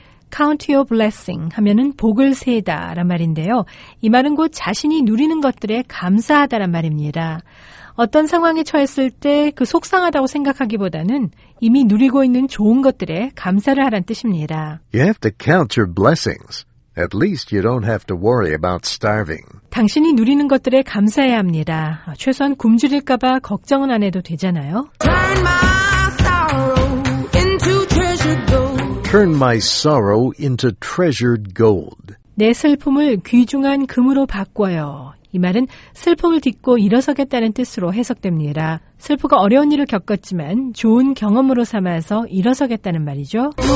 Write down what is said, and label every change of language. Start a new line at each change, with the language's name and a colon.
English: Count your blessing
Korean: 하면은 복을 세다란 말인데요. 이 말은 곧 자신이 누리는 것들에 감사하다란 말입니다. 어떤 상황에 처했을 때 그 속상하다고 생각하기보다는 이미 누리고 있는 좋은 것들에 감사를 하란 뜻입니다.
English: You have to count your blessings. At least you don't have to worry about starving.
Korean: 당신이 누리는 것들에 감사해야 합니다. 최소한 굶주릴까 봐 걱정은 안 해도 되잖아요.
English: Turn my sorrow into treasured gold. Turn my sorrow into treasured gold.
Korean: 내 슬픔을 귀중한 금으로 바꿔요. 이 말은 슬픔을 딛고 일어서겠다는 뜻으로 해석됩니다. 슬프고 어려운 일을 겪었지만 좋은 경험으로 삼아서 일어서겠다는 말이죠.